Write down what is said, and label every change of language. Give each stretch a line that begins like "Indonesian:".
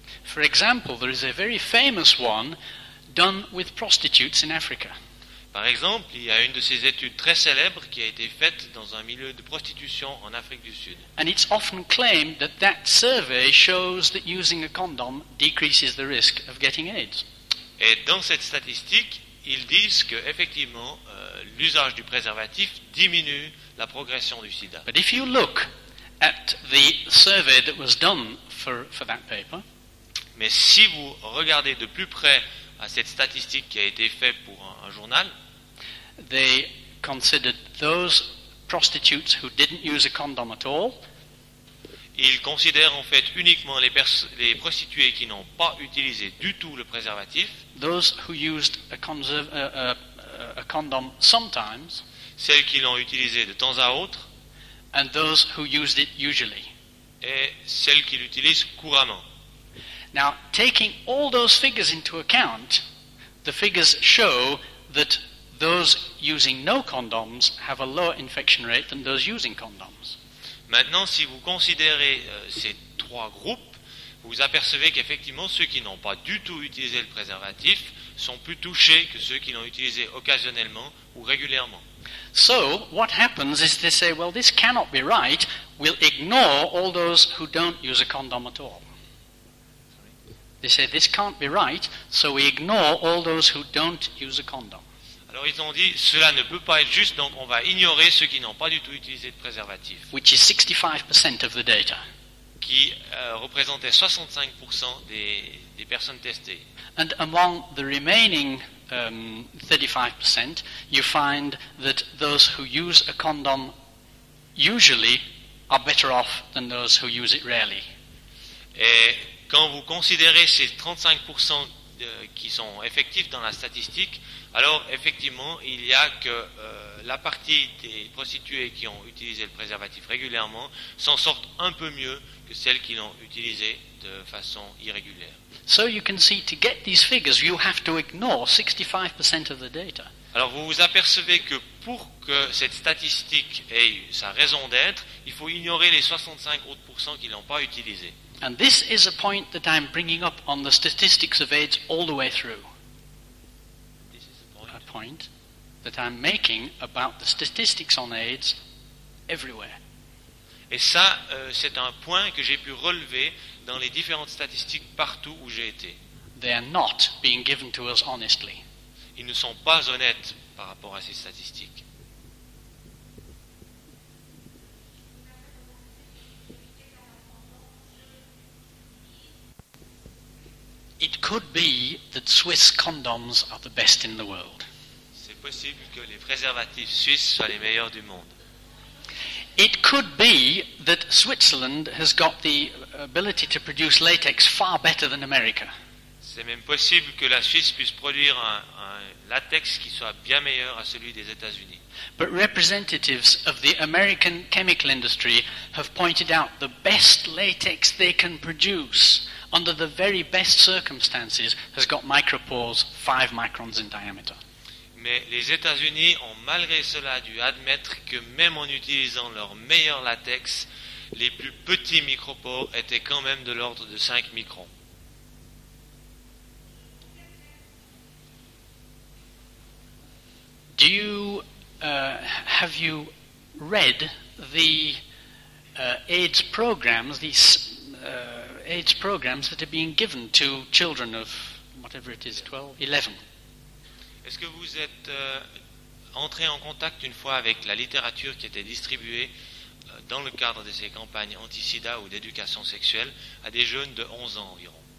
English: For example, there is a very famous one done with prostitutes in Africa.
French: Par exemple, il y a une de ces études très célèbres qui a été faite dans un milieu de prostitution en Afrique du Sud.
English: And it's often claimed that that survey shows that using a condom decreases the risk of getting AIDS.
French: Et dans cette statistique, ils disent que effectivement l'usage du préservatif diminue la progression du sida.
English: But if you look at the survey that was done for that paper,
French: mais si vous regardez de plus près à cette statistique qui a été faite pour un journal,
English: they considered those prostitutes who didn't use a condom at all.
French: Ils considèrent en fait uniquement les prostituées qui n'ont pas utilisé du tout le préservatif.
English: Those who used a condom sometimes.
French: Celles qui l'ont utilisé de temps à autre.
English: And those who used it usually.
French: Et celles qui l'utilisent couramment.
English: Now, taking all those figures into account, the figures show that those using no condoms have a lower infection rate than those using condoms.
French: Maintenant, si vous considérez ces trois groupes, vous apercevez qu'effectivement, ceux qui n'ont pas du tout utilisé le préservatif sont plus touchés que ceux qui l'ont utilisé occasionnellement ou régulièrement.
English: So what happens is they say, well, this cannot be right. We'll ignore all those who don't use a condom at all. They say this can't be right, so we ignore all those who don't use a condom.
French: Alors ils ont dit, cela ne peut pas être juste, donc on va ignorer ceux qui n'ont pas du tout utilisé de préservatif.
English: Which is 65% of the data.
French: Qui représentait 65% des personnes testées.
English: And among the remaining 35%, you find that those who use a condom usually are better off than those who use it rarely.
French: Et quand vous considérez ces 35% qui sont effectifs dans la statistique, alors effectivement, il y a que la partie des prostituées qui ont utilisé le préservatif régulièrement s'en sortent un peu mieux que celles qui l'ont utilisé de façon irrégulière.
English: So you can see to get these figures, you have to ignore 65% of the data.
French: Alors vous vous apercevez que pour que cette statistique ait sa raison d'être, il faut ignorer les 65% qui l'ont pas utilisé.
English: And this is a point that I'm bringing up on the statistics of AIDS all the way through. This is a point that I'm making about the statistics on AIDS everywhere.
French: Et ça, c'est un point que j'ai pu relever dans les différentes statistiques partout où j'ai été.
English: They are not being given to us honestly.
French: Ils ne sont pas honnêtes par rapport à ces statistiques.
English: It could be that Swiss condoms are the best in the world.
French: C'est possible que les préservatifs suisses soient les meilleurs du monde.
English: It could be that Switzerland has got the ability to produce latex far better than America.
French: C'est même possible que la Suisse puisse produire un latex qui soit bien meilleur à celui des États-Unis.
English: But representatives of the American chemical industry have pointed out the best latex they can produce under the very best circumstances has got micropores 5 microns in diameter.
French: Mais les États-Unis ont malgré cela dû admettre que même en utilisant leur meilleur latex, les plus petits micropores étaient quand même de l'ordre de 5 microns.
English: Do you have you read the AIDS programs, these AIDS programs that are being given to children of whatever it is, 12, 11?
French: Est-ce que vous êtes entré en contact une fois avec la littérature qui était distribuée dans le cadre de ces campagnes anti-sida ou d'éducation sexuelle à des jeunes de 11 ans environ?